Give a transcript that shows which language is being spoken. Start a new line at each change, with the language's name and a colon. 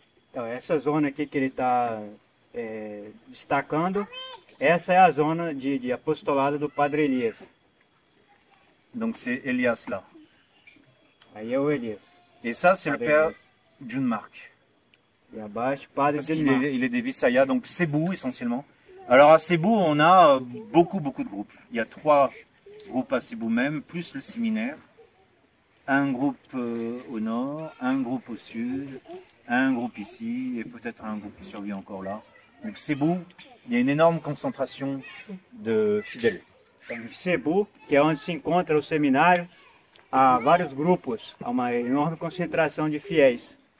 Portuguese: Então, essa zona aqui que ele está destacando, essa é a zona de apostolado do Padre Elias.
French: Donc c'est Elias là.
Portuguese: Aí é o Elias.
French: Et ça c'est le père Jean Marc.
Portuguese: E abaixo, Padre Jean Marc.
French: Il est de Visaya, donc Cebu essentiellement. Alors à Cebu, on a beaucoup beaucoup de groupes. Il y a trois groupes à Cebu même, plus le séminaire. Un groupe au nord, un groupe au sud, un groupe ici, et peut-être un groupe qui survit encore là. Donc Cebu, il y a une énorme concentration de fidèles. Donc Cebu, qui est
Portuguese: onde se encontra o seminário, há vários grupos, há uma enorme concentração de fiéis.